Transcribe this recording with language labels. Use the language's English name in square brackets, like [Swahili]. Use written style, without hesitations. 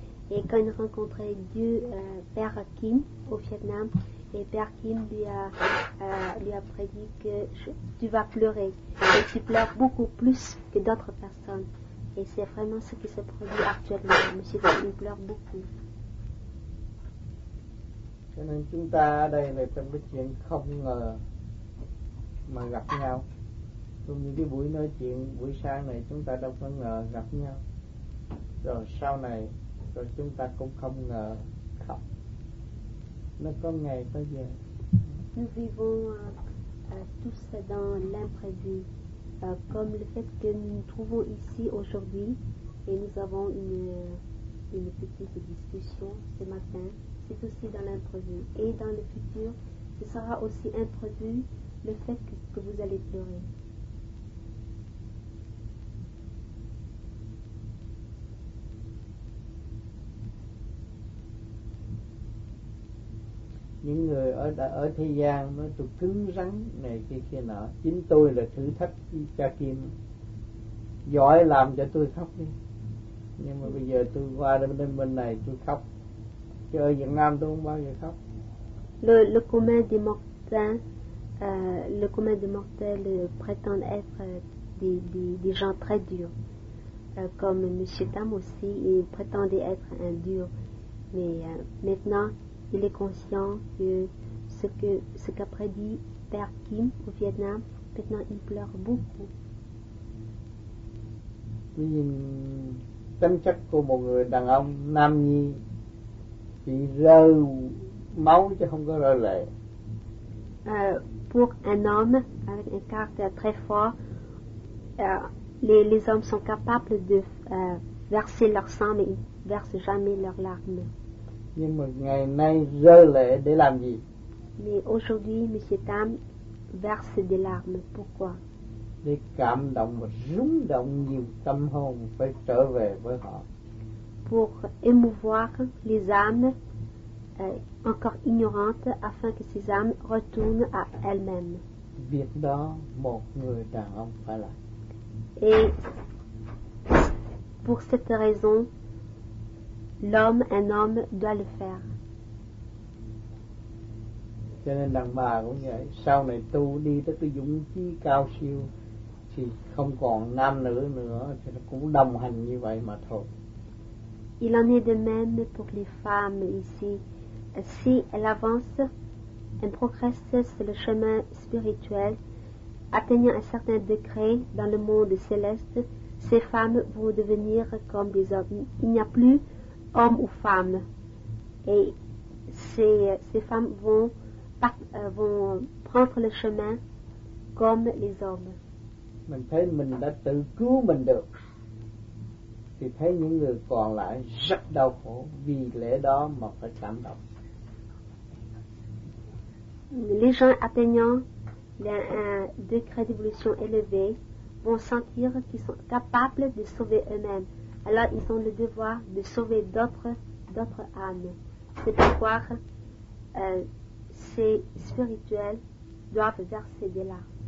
[French] Et quand il rencontrait Dieu, Père Kim au Vietnam, et Père Kim lui a prédit que tu vas pleurer, et tu pleures beaucoup plus que d'autres personnes. Et c'est vraiment ce qui se produit actuellement. Monsieur Tam, il pleure beaucoup. [Vietnamese] Cho nên chúng ta ở đây là trong cái chuyện không ngờ mà gặp nhau. Trong những cái buổi nói chuyện buổi sáng này chúng ta đâu có ngờ gặp nhau. Rồi sau này rồi chúng ta cũng không ngờ khóc. Nó có ngày có giờ. [French] Nous vivons tous dans l'imprévu, comme le fait que nous nous trouvons ici aujourd'hui et nous avons une petite discussion ce matin. C'est aussi dans l'imprévu. Et dans le futur, ce sera aussi imprévu le fait que vous allez pleurer. [Vietnamese] những người ở thế gian nó tục cứng rắn này kia nọ, chính tôi là thử thách cha kim giỏi làm cho tôi khóc đi. Nhưng mà bây giờ tôi qua bên này tôi khóc, chứ ở Việt Nam tôi không bao giờ khóc. [French] Le commun des mortels, le commun des mortels prétend être des gens très durs, comme M. Tam aussi, il prétendait être un dur, mais maintenant il est conscient que ce qu'a prédit Père Kim au Vietnam, maintenant il pleure beaucoup. [Vietnamese] Vì tính chất của một người đàn ông nam nhi chỉ rơi máu chứ không có rơi lệ. [French] Pour un homme avec un caractère très fort, les hommes sont capables de verser leur sang mais ils versent jamais leurs larmes. [Vietnamese] Nhưng mà ngày nay rơi lệ để làm gì? [French] Mais aujourd'hui Monsieur Tam verse des larmes, pourquoi? [Vietnamese] Để cảm động và rung động nhiều tâm hồn phải trở về với họ. [French] Pour émouvoir les âmes encore ignorantes afin que ces âmes retournent à elles-mêmes. [Vietnamese] Việc đó một người đàn ông phải làm. [French] Et pour cette raison, l'homme, un homme doit le faire. [Vietnamese] Cho nên đàn bà cũng vậy, sau này tu đi tới cái dũng chí cao siêu thì không còn nam nữ nữa, thì nó cũng đồng hành như vậy mà thôi. [French] Il en est de même pour les femmes ici. Si elles avancent, elles progressent sur le chemin spirituel, atteignant un certain degré dans le monde céleste, ces femmes vont devenir comme des hommes. Il n'y a plus homme ou femme. Et ces femmes vont prendre le chemin comme les hommes. [Vietnamese] Mình thấy mình đã tự cứu mình được thì thấy những người còn lại rất đau khổ, vì lẽ đó mà phải cảm động. [French] Les gens atteignant un degré d'évolution élevé vont sentir qu'ils sont capables de sauver eux-mêmes, alors ils ont le devoir de sauver d'autres âmes. C'est pourquoi ces spirituels doivent verser des larmes.